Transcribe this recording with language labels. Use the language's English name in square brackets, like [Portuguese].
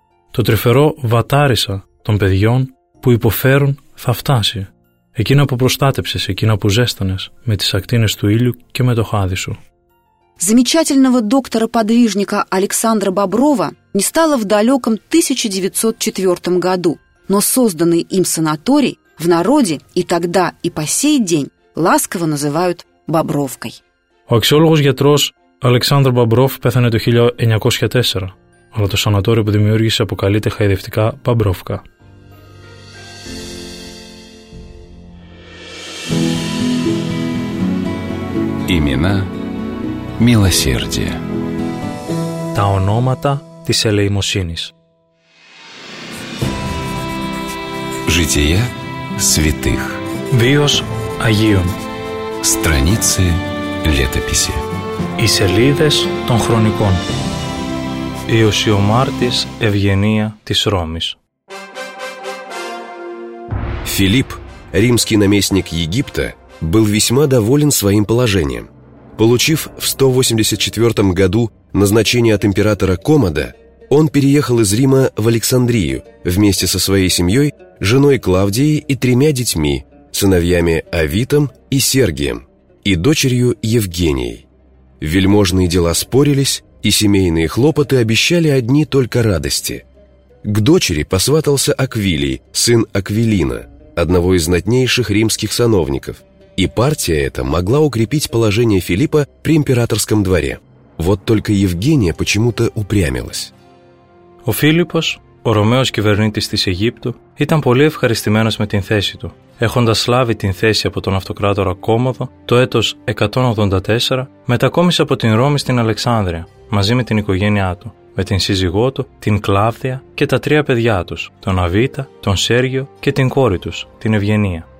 [Greek] Το τρυφερό βατάρισα των παιδιών που υποφέρουν θα φτάσει. Εκείνα που προστάτεψες, εκείνα που ζέστανες με τις ακτίνες του ήλιου και με το χάδι σου. [Russian] Замечательного доктора-подвижника Александра Боброва не стало в далеком 1904 году, но созданный им санаторий в народе и тогда, и по сей день ласково называют Бобровкой. [Greek] Ο αξιόλογος γιατρός Александр Бобров πέθανε το 1904, αλλά το σανατόριο που δημιούργησε αποκαλείται χαϊδευτικά Бобровка. [Russian] Имена Милосердие. [Greek] Τα ονόματα της ελεημοσύνης. [Russian] Жития святых. [Greek] Βίος Αγίων. [Russian] Страницы летописи. [Greek] Οι σελίδες των χρονικών. Ιωσιομάρτης Ευγενία της Ρώμης. [Russian] Филипп, римский наместник Египта, был весьма доволен своим положением. Получив в 184 году назначение от императора Комода, он переехал из Рима в Александрию вместе со своей семьей, женой Клавдией и тремя детьми, сыновьями Авитом и Сергием, и дочерью Евгенией. Вельможные дела спорились, и семейные хлопоты обещали одни только радости. К дочери посватался Аквилий, сын Аквилина, одного из знатнейших римских сановников, и партия эта могла укрепить положение Филиппа при императорском дворе. Вот только Евгения почему-то упрямилась. [Greek] Ο Φίλιππος, ο Ρωμαίος κυβερνήτης της Αιγύπτου, ήταν πολύ ευχαριστημένος με την θέση του. Έχοντας λάβει την θέση από τον αυτοκράτορα Κόμοδο, το έτος 184 μετακόμισε από την Ρώμη στην Αλεξάνδρεια, μαζί με την οικογένειά του, με την σύζυγό του, την Κλάβδια και τα τρία παιδιά τους, τον Αβίτα, τον Σέργιο και την κόρη τους, την Ευγενία.